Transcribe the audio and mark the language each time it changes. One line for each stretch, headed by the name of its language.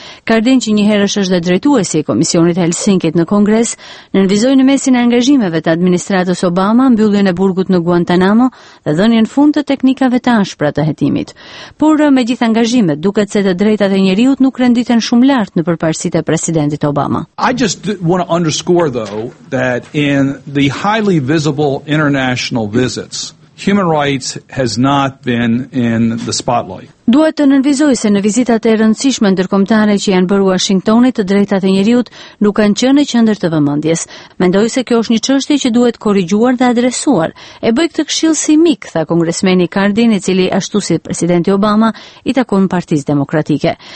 Albanian: Cardin, që një herësh është drejtuesi i Komisionit të Helsinkit në Kongres, nënvizoi në mesin e angazhimeve të administratës Obama mbylljen e burgut në Guantanamo dhe dhënien fund të teknikave të ashpra të hetimit. Por me gjithë angazhimet, duket se të drejtat e njeriut nuk renditen shumë lart në përparësitë e presidentit Obama.
English: I just want to underscore though that in the highly visible international visits, human rights has not been in the spotlight.
Albanian: Duhet të nënvizoj se në vizitat e rëndësishme ndërkombëtare që janë bërë Washingtonit, të drejtat e njeriut nuk kanë qenë në qendër të vëmendjes. Mendoj se kjo është një çështje që duhet korrigjuar dhe adresuar. E bëj këtë këshill si mik, tha kongresmeni Cardin, i cili ashtu si presidenti Obama i takon Partisë Demokratike.